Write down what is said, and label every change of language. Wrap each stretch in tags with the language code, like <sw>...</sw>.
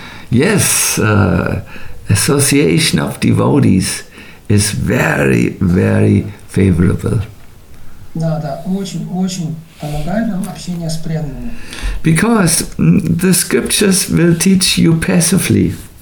<en>Yes, association of devotees is very, very favorable.</en> <ru>Да, да, очень, очень помогает нам общение с преданными.</ru> <en>Because the scriptures will teach you passively.</en>